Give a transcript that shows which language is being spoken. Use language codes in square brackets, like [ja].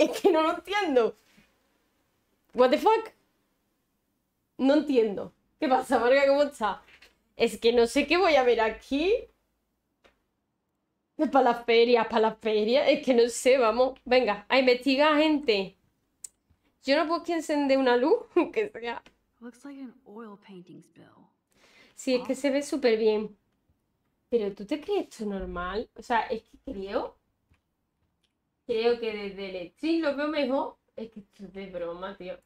[es] Es que no lo entiendo. [en] What the fuck? [es] No entiendo. ¿Qué pasa, Marga? ¿Cómo está? Es que no sé qué voy a ver aquí. Para la feria, para la feria. Es que no sé, vamos. Venga, a investigar, gente. Yo no puedo que encender una luz, aunque sea. [en] Looks like an oil painting spill. [es] Sí, es que se ve súper bien. Pero ¿tú te crees esto normal? O sea, es que creo. Creo que desde el stream lo veo mejor. Es que esto es de broma, tío.